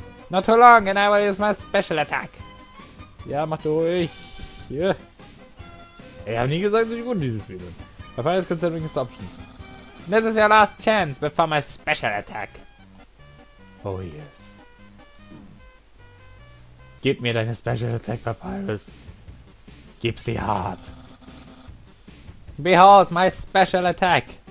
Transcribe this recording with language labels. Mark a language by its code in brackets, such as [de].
[en] Not too long, and I will use my special attack. [de] Ja, mach durch. Yeah. Ich hab nie gesagt, dass ich gut in diesem Spiel bin. [en] My final is considering his options. This is your last chance before my special attack. Oh yes. [de] Gib mir deine special attack, Papyrus. Gib sie hart. [en] Behold my special attack.